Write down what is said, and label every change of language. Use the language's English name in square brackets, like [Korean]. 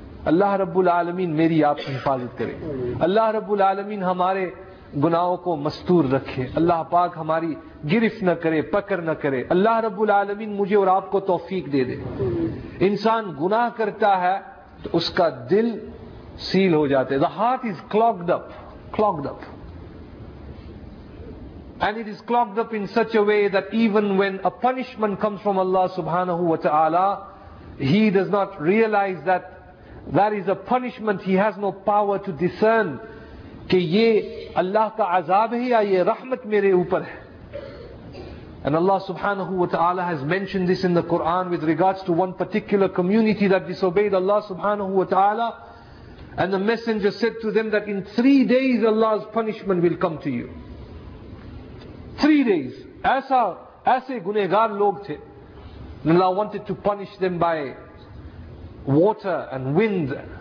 [Urdu] اللہ رب العالمین میری آپ کی حفاظت کرے. اللہ رب العالمین ہمارے گناہوں کو مستور رکھے. اللہ پاک ہماری گرفت نہ کرے, پکڑ نہ کرے. اللہ رب العالمین مجھے اور آپ کو توفیق دے دے. انسان گناہ کرتا ہے تو اس کا دل سیل ہو جاتا ہے. [English] The heart is clogged up. Clogged up. And it is clogged up in such a way that even when a punishment comes from Allah subhanahu wa ta'ala, he does not realize that that is a punishment. He has no power to discern [Urdu] کہ یہ اللہ کا عذاب ہے یا یہ رحمت میرے اوپر ہے. [English] And Allah subhanahu wa ta'ala has mentioned this in the Quran with regards to one particular community that disobeyed Allah subhanahu wa ta'ala. And the messenger said to them that in 3 days Allah's punishment will come to you. 3 days. [Urdu] Aise gunahgar log the. [English] And Allah wanted to punish them by water and wind.